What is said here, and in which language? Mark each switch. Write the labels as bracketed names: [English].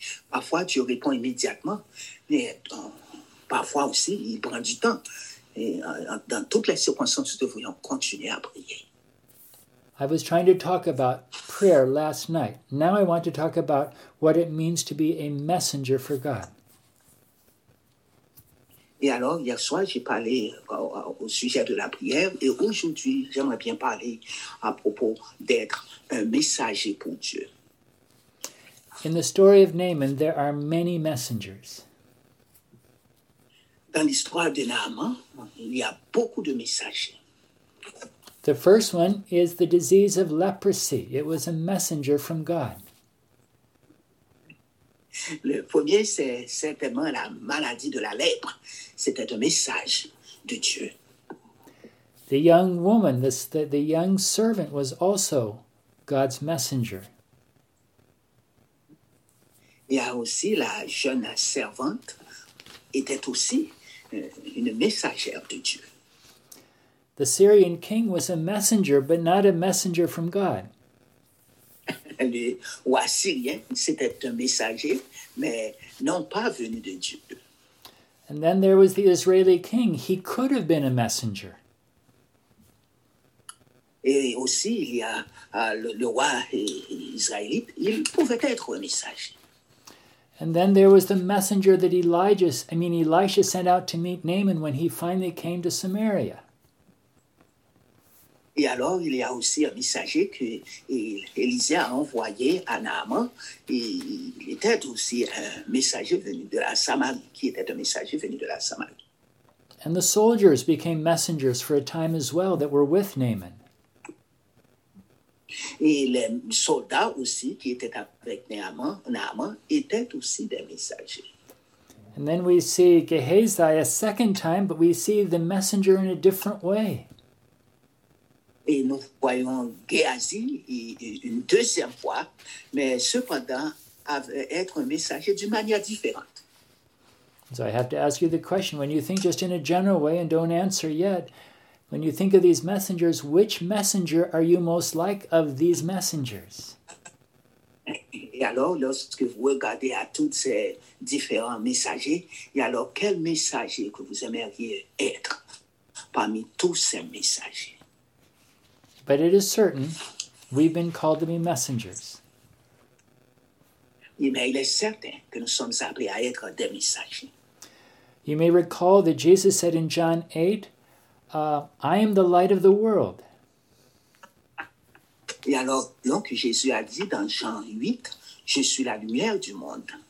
[French] Parfois Dieu répond immédiatement, mais parfois aussi il prend du temps. Et dans toutes les circonstances, nous devrions continuer à prier. [English] I was trying to talk about prayer last night. Now I want to talk about what it means to be a messenger for God. [French] Et alors, hier soir, j'ai parlé au sujet de la prière et aujourd'hui, j'aimerais bien parler à propos d'être un messager pour Dieu. [English] In the story of Naaman, there are many messengers. [French] Dans l'histoire de Naaman, il y a beaucoup de messagers. [English] The first one is the disease of leprosy. It was a messenger from God. [French] Le premier, c'est certainement la maladie de la lèpre. C'était un message de Dieu. [English] The young woman, the young servant, was also God's messenger. [French] Il y a aussi la jeune servante, était aussi une messagère de Dieu. [English] The Syrian king was a messenger, but not a messenger from God. [French] Le roi syrien, c'était un messager, mais non pas venu de Dieu. [English] And then there was the Israeli king. He could have been a messenger. [French] Et aussi, il y a le roi israélite, il pouvait être un messager. [English] And then there was the messenger that Elisha sent out to meet Naaman when he finally came to Samaria. [French] Et alors, il y a aussi un messager que Élisée a envoyé à Naaman. Il était aussi un messager venu de la Samarie, qui était un messager venu de la Samarie. [English] And the soldiers became messengers for a time as well that were with Naaman. [French] Et les soldats aussi qui étaient avec Naaman étaient aussi des messagers. [English] And then we see Gehazi a second time, but we see the messenger in a different way. [French] Et nous voyons Gehazi une deuxième fois, mais cependant être un messager d'une manière différente. [English] So I have to ask you the question, when you think just in a general way and don't answer yet, when you think of these messengers, which messenger are you most like of these messengers? [French] Et alors, lorsque vous regardez à tous ces différents messagers, et alors, quel messager que vous aimeriez être parmi tous ces messagers? [English] But it is certain we've been called to be messengers. [French] Mais il est certain que nous sommes appelés à être des messagers. [English] You may recall that Jesus said in John 8, I am the light of the world. [French] Et alors, donc Jésus a dit dans Jean 8, je suis la lumière du monde.